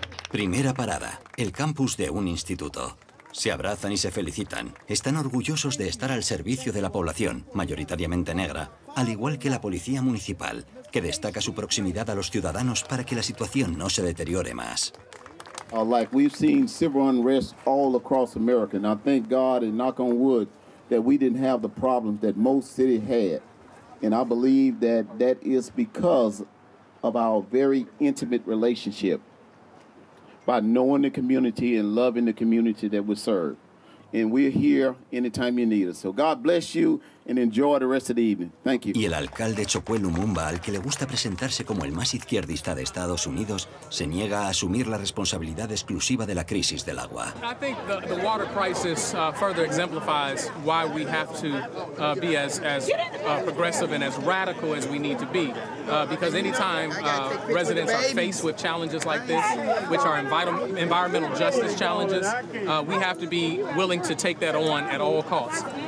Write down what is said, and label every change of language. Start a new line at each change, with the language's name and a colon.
Spanish: Primera parada, el campus de un instituto. Se abrazan y se felicitan. Están orgullosos de estar al servicio de la población, mayoritariamente negra, al igual que la policía municipal, que destaca su proximidad a los ciudadanos para que la situación no se deteriore más.
English: Like we've seen civil unrest all across America. And I thank God and knock on wood that we didn't have the problems that most cities had. And I believe that is because of our very intimate relationship by knowing the community and loving the community that we serve. And we're here anytime you need us. So God bless you and enjoy the rest of the evening. Thank you.
Spanish: Y el alcalde Chokwe Lumumba, al que le gusta presentarse como el más izquierdista de Estados Unidos, se niega a asumir la responsabilidad exclusiva de la crisis del agua.
English: I think the water crisis further exemplifies why we have to be as progressive and as radical as we need to be. Because anytime residents are faced with challenges like this, which are environmental justice challenges, we have to be willing to take that on at all costs.